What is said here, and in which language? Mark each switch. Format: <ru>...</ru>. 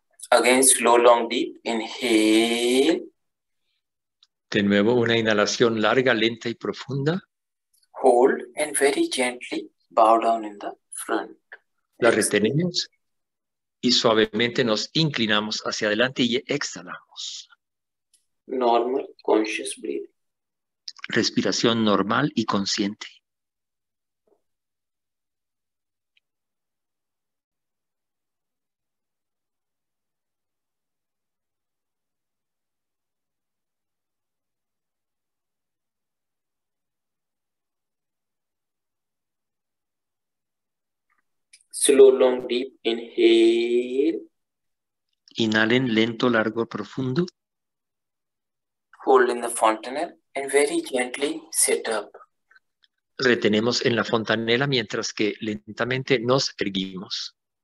<en>Again, slow, long, deep. Inhale.</en> <es>De nuevo, una inhalación larga, lenta y profunda.</es> <en>Hold and very gently bow down in the front.</en> <es>La retenemos y suavemente nos inclinamos hacia adelante y exhalamos.</es> <en>Normal, conscious breathing.</en> <es>Respiración normal y consciente.</es> <en>Slow, long, deep. Inhale.</en> <es>Inhalen lento, largo, profundo.</es> <en>Hold in the fontanel and very gently sit up.</en> <es>Retenemos en la fontanela mientras que lentamente nos erguimos.</es>